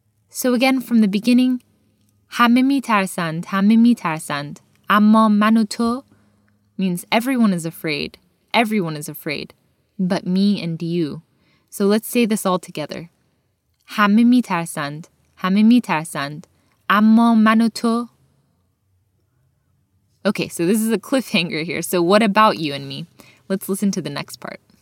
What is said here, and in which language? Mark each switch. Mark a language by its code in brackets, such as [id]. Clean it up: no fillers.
[en] So again, from the beginning, [fa] همه می‌ترسند, همه می‌ترسند. اما من و تو [en] means everyone is afraid. Everyone is afraid, but me and you. So let's say this all together. [fa] همه می‌ترسند, همه می‌ترسند. اما من و تو. [en] Okay, so this is a cliffhanger here. So what about you and me? Let's listen to the next part.